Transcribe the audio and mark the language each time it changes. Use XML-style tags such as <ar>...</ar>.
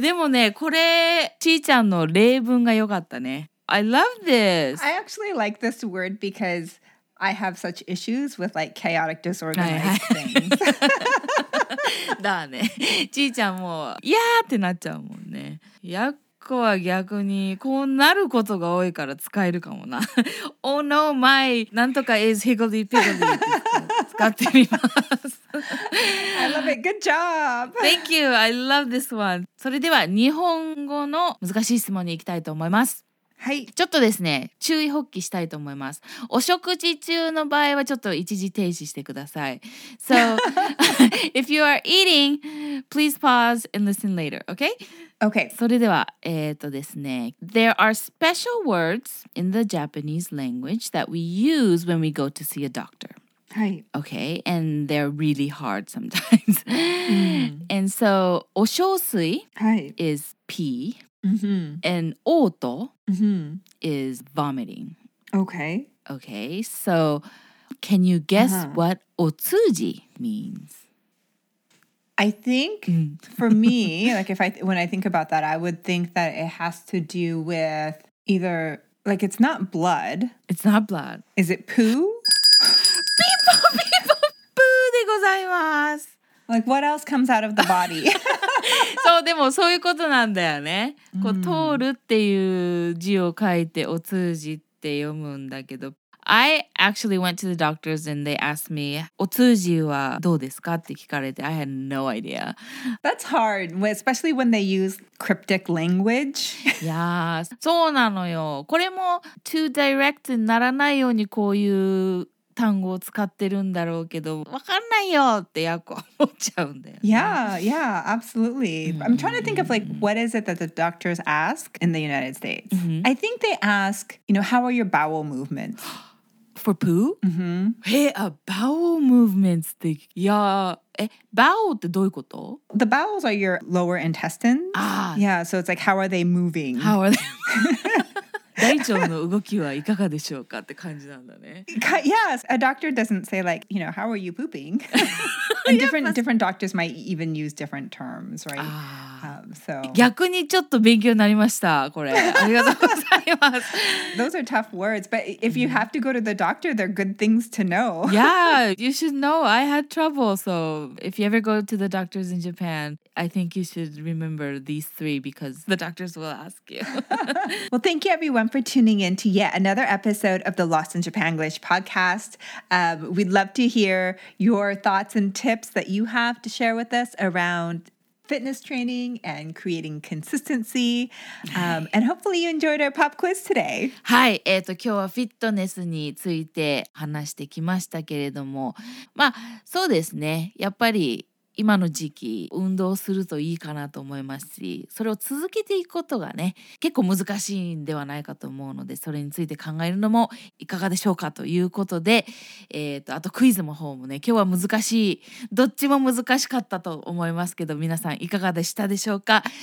<ja>でもね、これ、ちーちゃんの例文が良かったね。</ja> <en>I love this. I actually like this word because I have such issues with like chaotic, disorganized things.</en> <ja>だね。ちーちゃんもいやーってなっちゃうもんね。やっこは逆にこうなることが多いから使えるかもな。</ja> <en>Oh no, my なんとか is higgledy piggledy.</en> <ja>使ってみます。</ja> <en>I love it. Good job. Thank you. I love this one.</en> <ja>それでは日本語の難しい質問に行きたいと思います。はい、ちょっとですね注意補起したいと思います。お食事中の場合はちょっと一時停止してください。</ja> <en>So if you are eating, please pause and listen later, okay? Okay.</en> <ja>それではですね</ja> <en>There are special words in the Japanese language that we use when we go to see a doctor.</en> <ja>はい。</ja> <en>Okay, and they're really hard sometimes. And so</en> <ja>お小水、はい、</ja> <en>is pee、 mm-hmm. and oto、 mm-hmm. is vomiting. Okay. Okay, so can you guess、uh-huh. what otsuji means? I think、mm. for me, like if I, when I think about that, I would think that it has to do with either, like it's not blood. It's not blood. Is it poo? People, people, poo</en> <ja>でございます。</ja> <en>Like what else comes out of the body?</en> <ja>そう、でもそういうことなんだよね。こう、mm. 通るっていう字を書いてお通じって読むんだけど。</ja> <en>I actually went to the doctors and they asked me,</en> <ja>お通じはどうですかって聞かれて、</ja> <en>I had no idea. That's hard, especially when they use cryptic language. Yeah,</en> <ja>そうなのよ。これも</ja> <en>too direct</en> <ja>にならないようにこういう単語を使ってるんだろうけど、わかんないよってやっこ思っちゃうんだよ、ね。</ja> <en>Yeah, yeah, absolutely. I'm trying to think of like, what is it that the doctors ask in the United States? I think they ask, you know, how are your bowel movements? For poo? Hey, a bowel movements</en> <ja>って、いや、</ja> <en>bowel</en> <ja>ってどういうこと?</ja> <en>The bowels are your lower intestines. Ah. Yeah, so it's like, how are they moving? How are they moving?</en> <ja>大腸の動きはいかがでしょうかって感じなんだね。</ja> <en>Yes, a doctor doesn't say like, you know, how are you pooping? And different doctors might even use different terms, right? So</en> <ja>逆にちょっと勉強になりました、これ。ありがとうございます。</ja> <en>Those are tough words, but if you have to go to the doctor, they're good things to know. Yeah, you should know. I had trouble, so if you ever go to the doctors in Japan, I think you should remember these three because the doctors will ask you. Well, thank you, everyone. For tuning in to yet another episode of the Lost in Japanglish podcast. We'd love to hear your thoughts and tips that you have to share with us around fitness training and creating consistency. And hopefully you enjoyed our pop quiz today.</en> <ja>はい、今日はフィットネスについて話してきましたけれども、まあそうですね、やっぱり今の時期運動するといいかなと思いますし、それを続けていくことがね、結構難しいんではないかと思うので、それについて考えるのもいかがでしょうかということで、あとクイズの方もね、今日は難しい、どっちも難しかったと思いますけど、皆さんいかがでしたでしょうか。</ja>